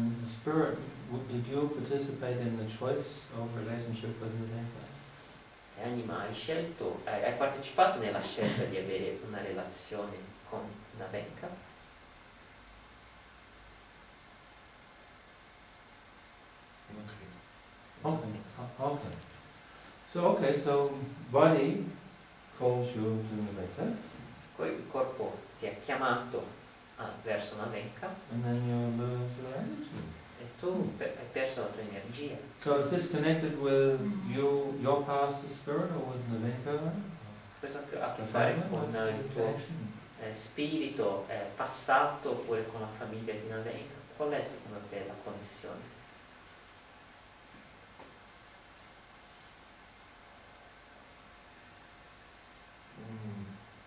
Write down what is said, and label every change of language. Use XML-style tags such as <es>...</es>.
<en>Spirit, did you participate in the choice of relationship with Novenka?</en> <it>Anima, hai scelto, hai partecipato nella scelta di avere una relazione con Novenka?</it> <en>Okay. Okay. So okay. So body calls you to Novenka.</en> <it>Poi il corpo ti ha chiamato. Verso una venca.</it> <en>And then you lose your energy.</en> <it>E tu hai perso la tua energia.</it> <en>So is this connected with you, your past spirit, or with the venca?</en> <it>Questo ha a che fare con il tuo spirito passato oppure con la famiglia di una venca. Qual è secondo te la connessione?</it>